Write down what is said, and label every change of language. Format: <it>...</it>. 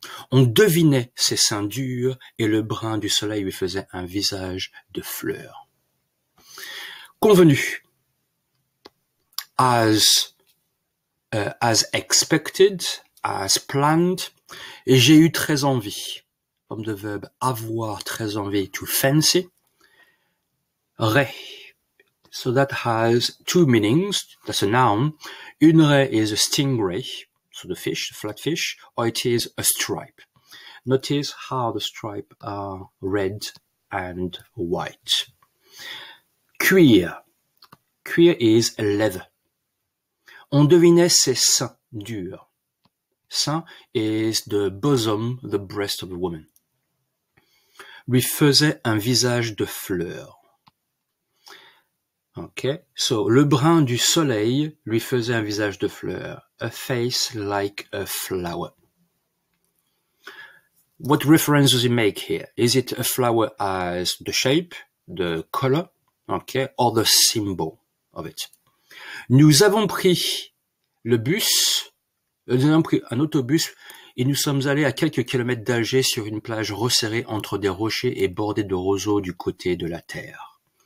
<fr>On devinait ses seins durs et le brun du soleil lui faisait un visage de fleur. Convenu.</fr> <en>As expected, as planned,</en> <fr>et j'ai eu très envie, comme de verbe avoir très envie,</fr> <en>to fancy,</en> <fr>raie.</fr> <en>So that has two meanings, that's a noun. Une raie is a stingray, so the fish, the flatfish, or it is a stripe. Notice how the stripe are red and white. Cuir. Cuir is leather.</en> <fr>On devinait ses seins durs.</fr> <en>Sein is the bosom, the breast of a woman.</en> <fr>Lui faisait un visage de fleur.</fr> <en>Okay, so</en> <fr>le brun du soleil lui faisait un visage de fleur.</fr> <en>A face like a flower. What reference does he make here? Is it a flower as the shape, the color, okay, or the symbol of it?</en> <fr>Nous avons pris le bus, nous avons pris un autobus et nous sommes allés à quelques kilomètres d'Alger sur une plage resserrée entre des rochers et bordée de roseaux du côté de la terre.</fr>